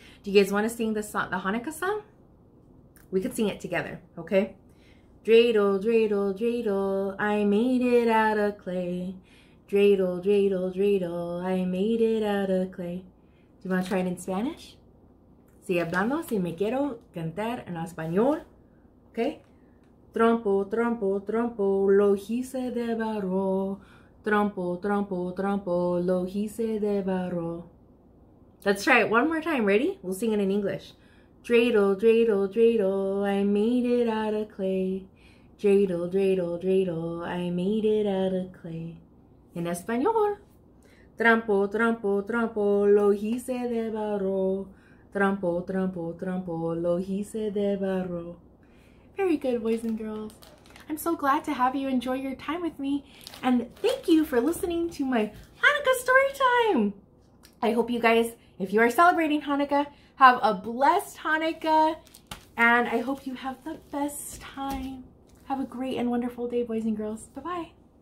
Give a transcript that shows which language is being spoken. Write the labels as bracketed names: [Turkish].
[English] Do you guys want to sing the song, the Hanukkah song? We could sing it together, okay? Dreidel, dreidel, dreidel, I made it out of clay. Dreidel, dreidel, dreidel, I made it out of clay. Do you want to try it in Spanish? [Spanish] Si hablando, si me quiero cantar en español, okay? Trompo, trompo, trompo, lo hice de barro. Trompo, trompo, trompo, lo hice de barro. [English] Let's try it one more time. Ready? We'll sing it in English. Dreidel, dreidel, dreidel, I made it out of clay. Dreidel, dreidel, dreidel, I made it out of clay. In Espanol. [Spanish] Trompo, trompo, trompo, lo hice de barro. Trompo, trompo, trompo, lo hice de barro. [English] Very good, boys and girls. I'm so glad to have you enjoy your time with me. And thank you for listening to my Hanukkah story time. I hope you guys, if you are celebrating Hanukkah, have a blessed Hanukkah, and I hope you have the best time. Have a great and wonderful day, boys and girls. Bye-bye.